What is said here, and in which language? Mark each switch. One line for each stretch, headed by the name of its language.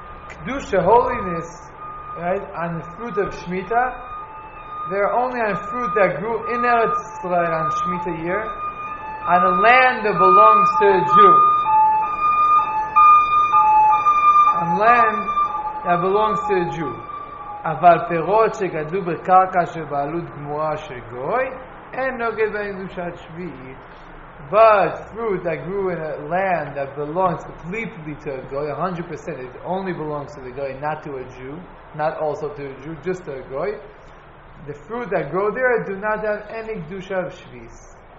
English: Kedusha, holiness, right, on the fruit of Shemitah, they're only on fruit that grew in Eretz Yisrael on Shemitah year, on a land that belongs to a Jew. On land that belongs to a Jew.
Hebrew: אבל פירות שגדלו בקרקע של בעלות גמורה של גוי אין נוגד בהם קדושת שביעית.
English: But fruit that grew in a land that belongs completely to a goy, 100%, it only belongs to the goy, not to a Jew, not also to a Jew, just to a goy. The fruit that grow there do not have any kedusha of shviz.